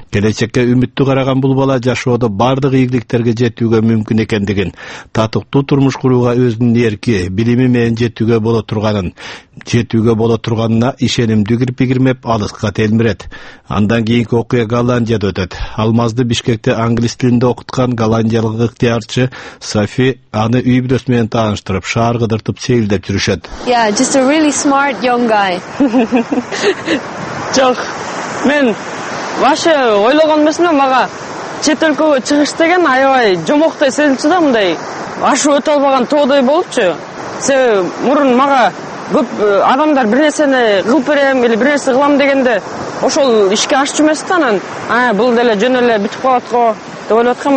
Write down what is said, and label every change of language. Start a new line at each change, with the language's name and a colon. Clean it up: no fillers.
Kyrgyz: Келечекке үмүттүү караган бул бала жашоодо бардык ийгиликтерге жетүүгө мүмкүн экендигин, татыктуу турмуш курууга өзүнүн эрки, билими менен жетүүгө боло турганын, жетүүгө боло турганына ишенимдүү кирпигирмеп алыска телмирет. Андан кийинки окуя Голландияда өтөт. Алмазды Бишкекте англис тилинде окуткан голландиялык ыктыярчы Софи аны үй бүлөсү менен тааныштырып, шаар кыдыртып сейилдеп жүрүшөт.
English: Yeah, just a really smart young guy.
Kyrgyz: Жок, мен вообще ойлогон эмесмин да, мага чет өлкөгө чыгыш деген аябай жомоктой сезилчү да, мындай ашып өтө албаган тоодой болупчу. Себеби мурун мага көп адамдар бир нерсени кылып берем или бир нерсе кылам дегенде ошол ишке ашчу эмес да, анан бул деле жөн эле бүтүп калат го деп ойлоп аткам.